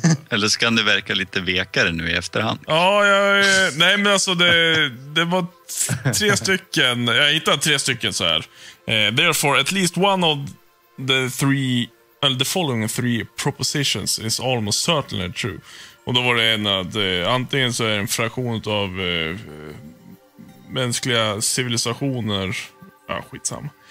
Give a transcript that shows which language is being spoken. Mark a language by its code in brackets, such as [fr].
[sv] Eller ska det verka lite vekare nu i efterhand? Ja, nej, men alltså det var tre stycken. Jag hittade tre stycken så här. [en] Therefore, at least one of the three, eller the following three propositions is almost certainly true. [sv] Och då var det en att antingen så är en fraktion av mänskliga civilisationer. Ja, skitsam.